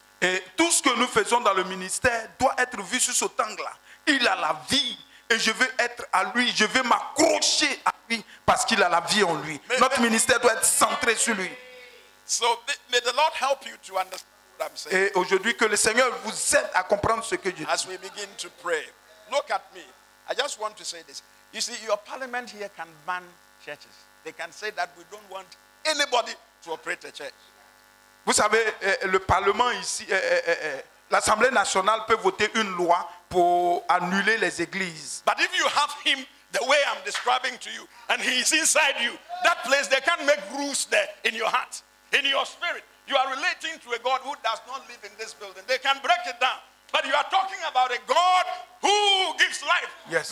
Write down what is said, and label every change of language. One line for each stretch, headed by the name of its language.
French: Et tout ce que nous faisons dans le ministère doit être vu sur cet angle-là. Il a la vie et je veux être à lui. Je veux m'accrocher à lui parce qu'il a la vie en lui. Notre ministère doit être centré sur lui.
English: So may the Lord help you to understand what I'm saying.
French: Et aujourd'hui, que le Seigneur vous aide à comprendre ce que je dis.
English: As we begin to pray, look at me. I just want to say this. You see, your parliament here can ban churches. They can say that we don't want anybody to operate a church.
French: Vous savez, le Parlement ici, l'Assemblée nationale peut voter une loi pour annuler les églises.
English: But if you have him the way I'm describing to you, and he is inside you, that place, they can't make rules there in your heart, in your spirit. You are relating to a God who does not live in this building. They can break it down. But you are talking about a God who gives life. Yes.